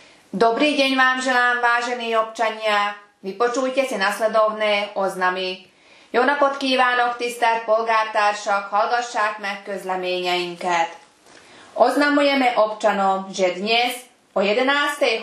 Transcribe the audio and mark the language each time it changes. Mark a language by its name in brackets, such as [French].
[Slovak] Dobrý deň vám želám, vážení občania. Vypočujte si nasledovné oznamy. [Hungarian] Jó napot kívánok, tisztelt polgártársak, hallgassák meg közleményeinket. [Slovak] Oznamujeme občanom, že dnes o 11.